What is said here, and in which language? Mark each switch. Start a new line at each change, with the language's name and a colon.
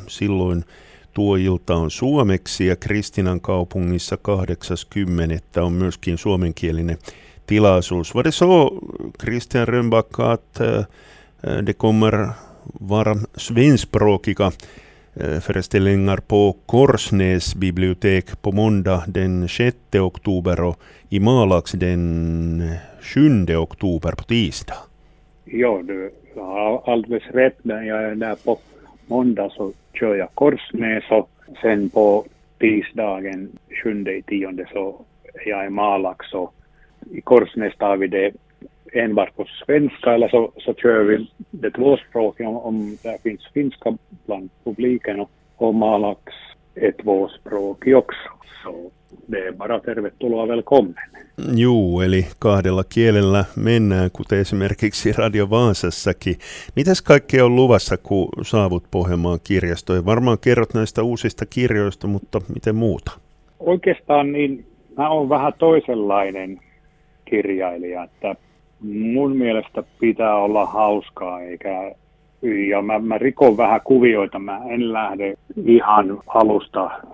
Finnish: Silloin tuo ilta on suomeksi ja Kristinan kaupungissa 8.10. on myöskin suomenkielinen tilaisuus.
Swedish: Vad är så, Kristian Rönnbacka, att det kommer vara svenskspråkiga föreställningar på Korsnäs bibliotek på måndag den 6 oktober och i Malax den 7 oktober på tisdag. Joo, alldeles rätt. När på måndag så kör jag Korsnäs och sen på tisdagen 7-10 så är jag i Malax. I Korsnäs tar vi det enbart på svenska eller så kör vi det tvåspråkiga om det finns finska bland publiken och Malax är tvåspråkig också. Så det är bara tervetuloa, välkommen.
Finnish: Juu, eli kahdella kielellä mennään, kuten esimerkiksi Radio Vaasassakin. Mitäs kaikkea on luvassa, kun saavut Pohjanmaan kirjastoon? Varmaan kerrot näistä uusista kirjoista, mutta miten muuta? Oikeastaan niin, mä oon vähän toisenlainen kirjailija, että mun mielestä pitää olla hauskaa, eikä, ja mä rikon vähän kuvioita, mä en lähde ihan alusta.